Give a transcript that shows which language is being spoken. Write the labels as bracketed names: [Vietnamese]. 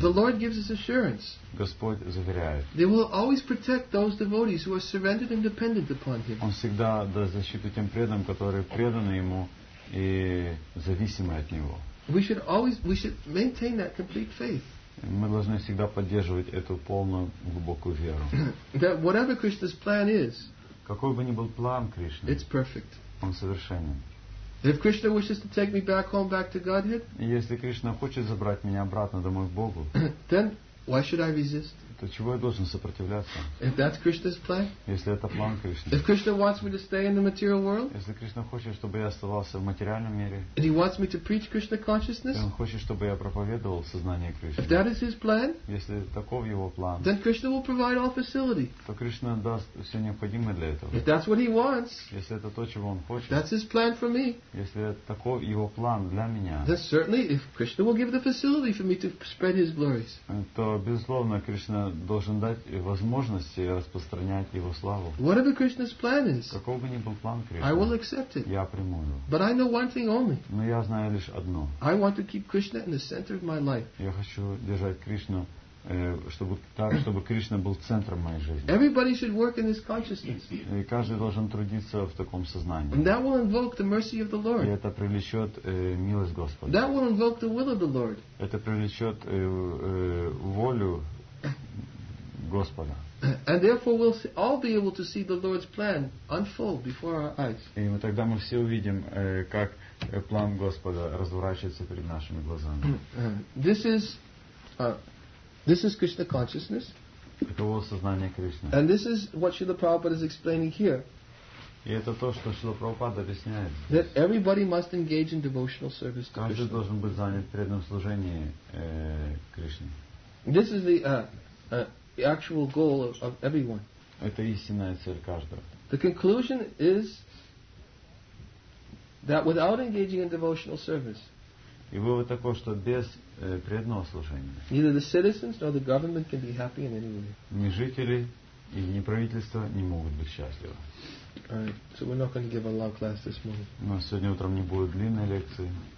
[English] The Lord gives us assurance. [Russian] Господь заверяет. [English] They will always protect those devotees who are surrendered and dependent upon Him. [Russian] Он всегда даст защиту тем преданным, которые преданы Ему и зависимы от Него. [English] We should maintain that complete faith. [Russian] Мы должны всегда поддерживать эту полную глубокую веру. [English] That whatever Krishna's plan is, [Russian] какой бы ни был план Кришны, [English] it's perfect. [Russian] Он совершенен. [English] If Krishna wishes to take me back home, back to Godhead, [Russian] если Кришна хочет забрать меня обратно домой к Богу, [English] then why should I resist? [Russian] То чего я должен сопротивляться? [English] If that's Krishna's plan, [Russian] если это план Кришны, [English] if Krishna wants me to stay in the material world, [Russian] если Кришна хочет, чтобы я оставался в материальном мире, [English] and he wants me to preach Krishna consciousness, [Russian] он хочет, чтобы я проповедовал сознание Кришны, [English] if that is his plan, [Russian] если таков его план, [English] then Krishna will provide all facility, [Russian] то Кришна даст все необходимое для этого. [English] If that's what he wants, [Russian] если это то, чего он хочет, [English] that's his plan for me, [Russian] если таков его план для меня, [English] then certainly if Krishna will give the facility for me to spread his glories, [Russian] то безусловно Кришна должен дать возможности распространять его славу. [English] Whatever Krishna's plan is, [Russian] каков бы ни был план Кришны, [English] I will accept it. [Russian] Я приму его. [English] But I know one thing only. [Russian] Но я знаю лишь одно. [English] I want to keep Krishna in the center of my life. [Russian] Я хочу держать Кришну, чтобы так, чтобы Кришна был центром моей жизни. [English] Everybody should work in this consciousness. [Russian] И каждый должен трудиться в таком сознании. [English] And that will invoke the mercy of the Lord. [Russian] И это привлечет милость Господа. [English] That will invoke the will of the Lord. [Russian] Это привлечет волю Господа. [English] And therefore we'll all be able to see the Lord's plan unfold before our eyes. [Russian] И мы тогда мы все увидим, как план Господа разворачивается перед нашими глазами. [English] This is Krishna consciousness. [Russian] Таково сознание Кришны. [English] And this is what Srila Prabhupada is explaining here. [Russian] И это то, что Шрила Прабхупада объясняет. [English] That everybody must engage in devotional service to [Russian] Krishna. Каждый должен быть занят в преданном служении Кришне. [English] This is the actual goal of everyone. [Russian] Это истинная цель каждого. [English] The conclusion is that without engaging in devotional service, [Russian] и вывод такой, что без преданного служения, [English] neither the citizens nor the government can be happy in any way. [Russian] Ни жители и ни правительство не могут быть счастливы. [English] Alright, so we're not going to give a long class this morning. [Russian] Но сегодня утром не будет длинной лекции.